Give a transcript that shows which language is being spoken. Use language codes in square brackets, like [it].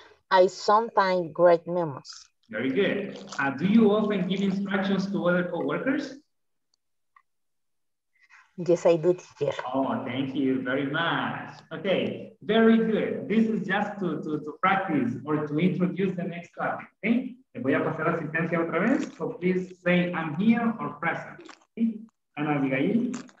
[en] I sometimes write memos. Very good. Do you often give instructions to other coworkers? Yes, I do, teacher. Oh, thank you very much. Okay, very good. This is just to practice or to introduce the next class. [es] Okay, le voy a pasar asistencia otra vez. [en] So please say I'm here or present. Okay, Ana Abigail.